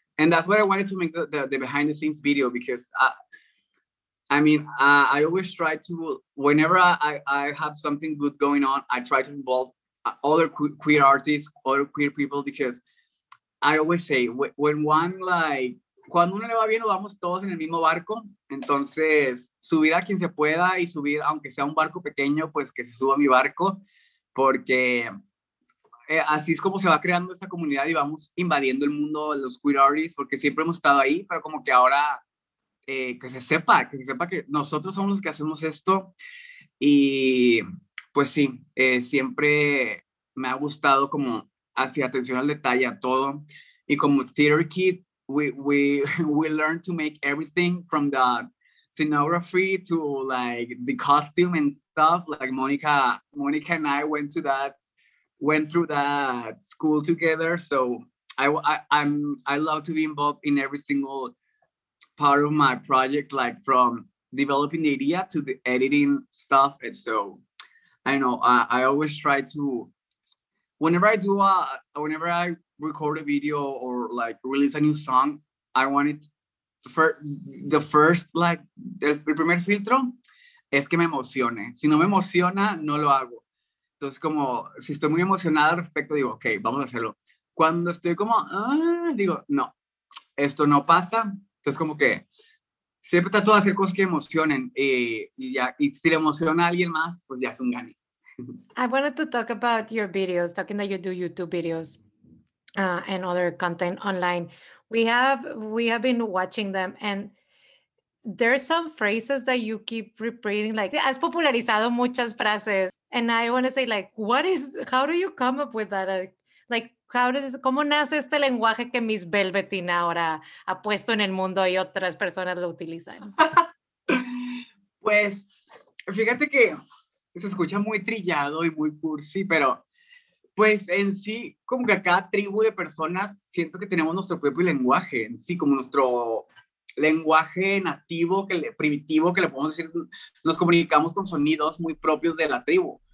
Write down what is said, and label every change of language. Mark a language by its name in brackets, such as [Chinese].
[English] And that's why I wanted to make the behind the scenes video, because I always try to, whenever I have something good going on, I try to involve other queer artists, other queer people, because I always say, when one like, [Spanish] cuando uno le va bien, vamos todos en el mismo barco. Entonces, subir a quien se pueda y subir, aunque sea un barco pequeño, pues que se suba a mi barco. Porque así es como se va creando esta comunidad y vamos invadiendo el mundo de los queer artists, porque siempre hemos estado ahí, pero como que ahora que se sepa que nosotros somos los que hacemos esto. Y pues sí, siempre me ha gustado como así atención al detalle a todo. Y como [English] theater kid, we learn to make everything from the scenography to like the costume and stuff. Like Monica and I went through that school together. So I love to be involved in every single part of my project, like from developing the idea to the editing stuff. And so I know I always try to, whenever I record a video or like release a new song, I want it to, for the first, like, [Spanish] el primer filtro es que me emocione. Si no me emociona, no lo hago. Entonces, como, si estoy muy emocionada al respecto, digo, okay, vamos a hacerlo. Cuando estoy como, digo, no, esto no pasa. Entonces, como que siempre trato de hacer cosas que emocionen. Y si le emociona a alguien más, pues ya es un gane. [English] I wanted to talk about your videos, talking that you do YouTube videos and other content online. We have been watching them, and there are some phrases that you keep repeating, like, [Spanish] has popularizado muchas frases. [English] And I want to say, like, how do you come up with that? [Spanish] Like, ¿cómo nace este lenguaje que Miss Velvetine ahora ha puesto en el mundo y otras personas lo utilizan? Pues, fíjate que se escucha muy trillado y muy cursi, pero pues en sí, como que a cada tribu de personas, siento que tenemos nuestro propio lenguaje en sí, como nuestro lenguaje nativo, primitivo, que le podemos decir, nos comunicamos con sonidos muy propios de la tribu.